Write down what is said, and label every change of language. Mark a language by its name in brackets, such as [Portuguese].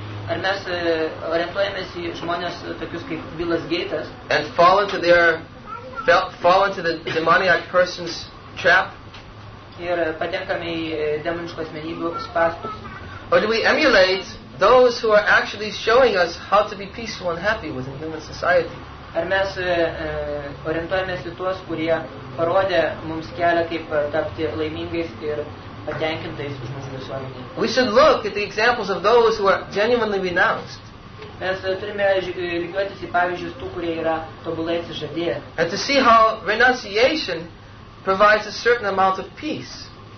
[Lithuanian] Ar mes orientuojamės į žmonės tokius kaip Billas Gates? [English] And fall into the demoniac person's trap? [Lithuanian] Ir patenkame į demoniškų asmenybių spąstus. [English] Or do we emulate those who are actually showing us how to be peaceful and happy within human society? [Lithuanian] Ar mes orientuojamės į tuos, kurie parodė mums kelią, kaip tapti laimingais ir patenkintais mūsų visuomenėje? [English] We should look at the examples of those who are genuinely renounced. [Lithuanian] Mes turime lygiuotis į pavyzdžius tų, kurie yra tobulai atsižadėję. [English] And to see how renunciation provides a certain amount of peace.